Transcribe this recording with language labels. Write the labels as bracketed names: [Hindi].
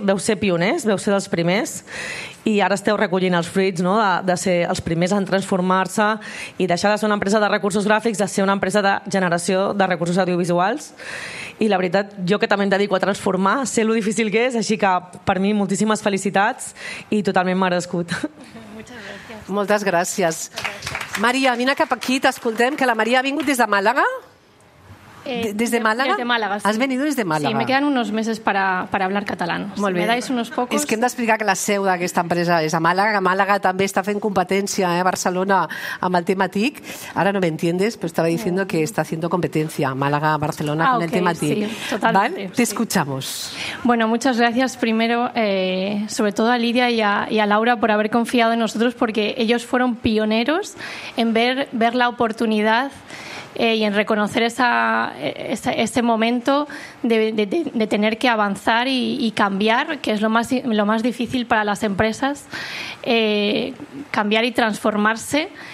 [Catalan] Veu ser pioners, veu ser dels primers i ara esteu recollint els fruits, no?, de ser els primers en transformar-se i deixar de ser una empresa de recursos gràfics a ser una empresa de generació de recursos audiovisuals. I la veritat, jo que també em dedico a transformar, sé lo difícil que és, així que per mi moltíssimes felicitats i totalment merescut. [Spanish] Muchas gracias. [Catalan] Moltes gràcies. Maria, vine cap aquí, t'escoltem, que la Maria ha vingut des de Màlaga. [Spanish] ¿Des de Málaga? De Málaga, sí. ¿Has venido desde Málaga? Sí, me quedan unos meses para hablar catalán. Muy bien. Me dais unos pocos. [Catalan] Es que hem d'explicar que la seu d'aquesta empresa és a Málaga. Málaga també està fent competència a Barcelona amb el tema TIC. [Spanish] Ara no me entiendes, pero estaba diciendo que está haciendo competencia Málaga-Barcelona con el tema TIC. Ah, ok, sí, totalmente. ¿Vale? Te escuchamos. Bueno, muchas gracias primero, sobre todo a Lidia y a Laura por haber confiado en nosotros, porque ellos fueron pioneros en ver la oportunidad y en reconocer ese momento de tener que avanzar y cambiar, que es lo más difícil para las empresas, cambiar y transformarse.